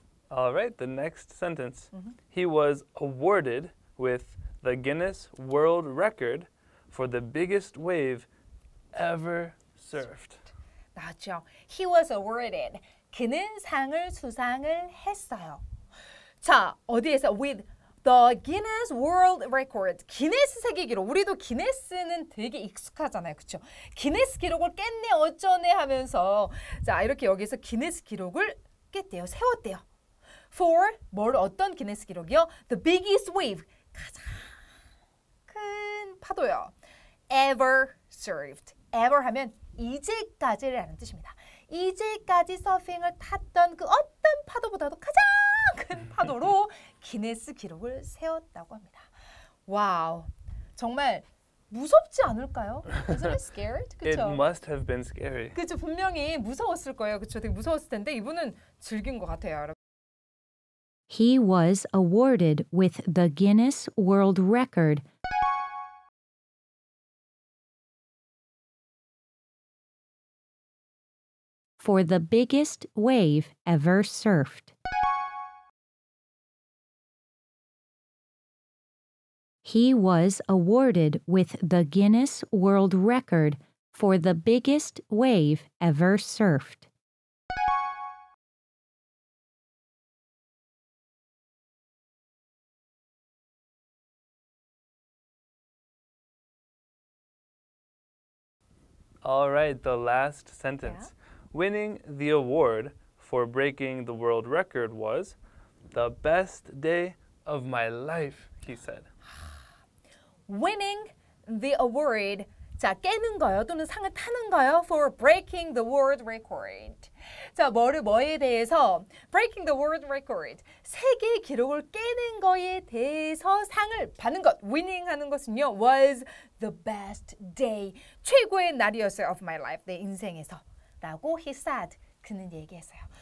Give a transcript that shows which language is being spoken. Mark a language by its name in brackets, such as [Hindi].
[English] All right, the next sentence. Mm-hmm. He was awarded with the Guinness World Record for the biggest wave ever surfed. [Korean] 맞죠. [English] He was awarded. [Korean] 그는 상을 수상을 했어요. 자, 어디에서? [English] With the Guinness World Record. [Korean] 기네스 세계 기록. 우리도 기네스는 되게 익숙하잖아요. 그렇죠? 기네스 기록을 깼네 어쩌네 하면서 자, 이렇게 여기서 기네스 기록을 깼대요. 세웠대요. [English] For [Korean] 뭘 어떤 기네스 기록이요? [English] The biggest wave, [Korean] 가장 큰 파도요. [English] Ever surfed. [Korean] Ever 하면 이제까지라는 뜻입니다. 이제까지 서핑을 탔던 그 어떤 파도보다도 가장 큰 파도로 기네스 기록을 세웠다고 합니다. 와우, 정말 무섭지 않을까요? [English] Isn't it scared? [Korean] 그쵸? [English] It must have been scary. [Korean] 그쵸, 분명히 무서웠을 거예요. 그쵸, 되게 무서웠을 텐데 이분은 즐긴 것 같아요, 여러분. [English] He was awarded with the Guinness World Record for the biggest wave ever surfed. He was awarded with the Guinness World Record for the biggest wave ever surfed. All right, the last sentence. Yeah. Winning the award for breaking the world record was the best day of my life, he said. Winning the award, [Korean] 자, 깨는 거요, 또는 상을 타는 거요, [English] for breaking the world record. [Korean] 자, 뭐를, 뭐에 대해서, [English] breaking the world record, [Korean] 세계 기록을 깨는 거에 대해서 상을 받는 것, [English] winning [Korean] 하는 것은요, [English] was the best day, [Korean] 최고의 날이었어요, [English] of my life, [Korean] 내 인생에서, 라고 [English] he said, [Korean] 그는 얘기했어요.